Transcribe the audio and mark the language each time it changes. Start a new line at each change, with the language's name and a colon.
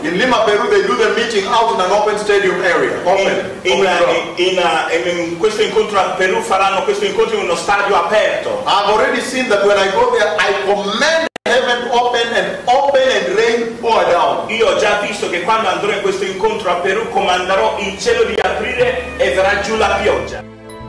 English: In Lima, Peru, they do the meeting out in an open stadium area. Open.
Italian: Questo incontro a Peru faranno questo incontro in uno stadio aperto.
English: I've already seen that when I go there, I command heaven to open and open and rain pour down.
Italian: Io ho già visto che quando andrò in questo incontro a Peru comanderò il cielo di aprire e verrà giù la pioggia.